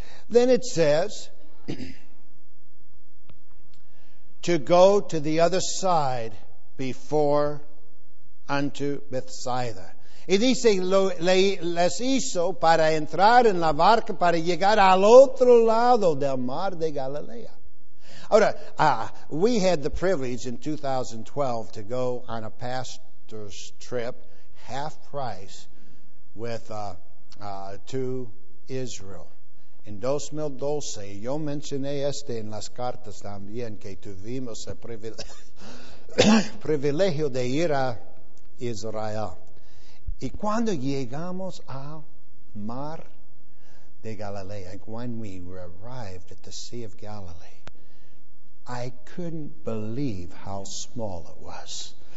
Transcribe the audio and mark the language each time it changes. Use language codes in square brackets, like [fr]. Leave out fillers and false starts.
[en] Then it says, to go to the other side before unto Bethsaida. [es] Y dice, les hizo para entrar en la barca para llegar al otro lado del mar de Galilea. [en] Ahora, we had the privilege in 2012 to go on a pastor's trip, half price, with to Israel. [es] En 2012, yo mencioné este en las cartas también, que tuvimos el privilegio de ir a Israel. Y cuando llegamos al mar de Galilea, [en] when we arrived at the Sea of Galilee, I couldn't believe how small it was.